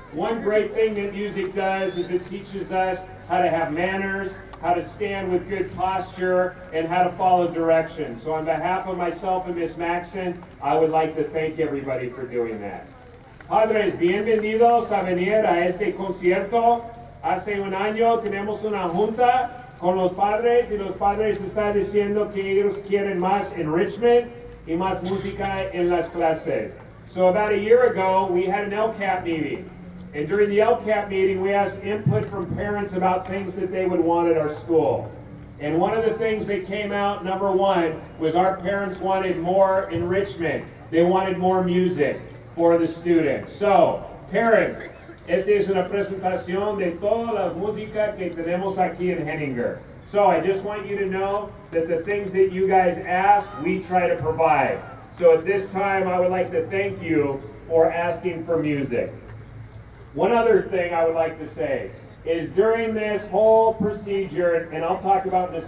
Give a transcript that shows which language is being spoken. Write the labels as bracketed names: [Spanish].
[English] One great thing that music does is it teaches us how to have manners, how to stand with good posture, and how to follow directions. So on behalf of myself and Miss Maxson, I would like to thank everybody for doing that. [Spanish] Padres, bienvenidos a venir a este concierto. Hace un año tenemos una junta con los padres, y los padres están diciendo que ellos quieren más enrichment y más música en las clases. [English] So about a year ago, we had an LCAP meeting. And during the LCAP meeting, we asked input from parents about things that they would want at our school. And one of the things that came out, number one, was our parents wanted more enrichment. They wanted more music for the students. So, parents, [Spanish] esta es una presentación de toda la música que tenemos aquí en Henninger. [English] So I just want you to know that the things that you guys ask, we try to provide. So at this time, I would like to thank you for asking for music. One other thing I would like to say is during this whole procedure, and I'll talk about Ms.